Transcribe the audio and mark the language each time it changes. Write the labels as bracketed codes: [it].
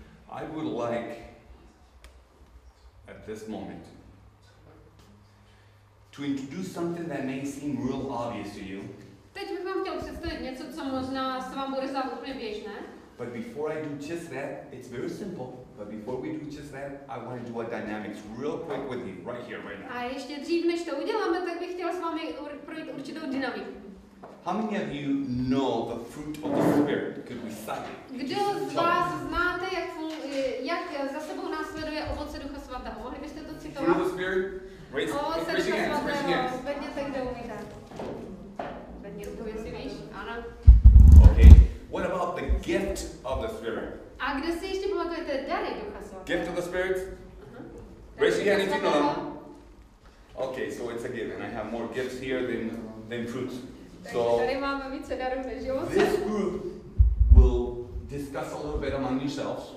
[en] I would like at this moment to introduce something that may seem real obvious to you. [cs] Teď bych vám chtěl představit něco, co možná se vám bude zdát úplně běžné. [en] But before I do just that, it's very simple. But before we do just that, I want to do a dynamics real quick with you right here, right now. [cs] A ještě dřív, než to uděláme, tak bych chtěl s vámi projít určitou dynamiku. [en] How many of you know the fruit of the Spirit? Could we cite it? [cs] Kdo z vás znáte, jak za sebou následuje ovoce Ducha svatého? Mohli byste to citovat? [en] Fruit of the Spirit? Raise your hands, raise your hands. [cs] Vedněte, kdo umíte. Vedněte, kdo jestli víš, ano. [en] Okay, what about the gift of the Spirit? [cs] A kde si ještě pamatujete dary Ducha svatého? [en] Gift of the Spirit? Raise your hand if you know. Okay, so it's a gift, and I have more gifts here than fruits. So, this group will discuss a little bit among yourselves.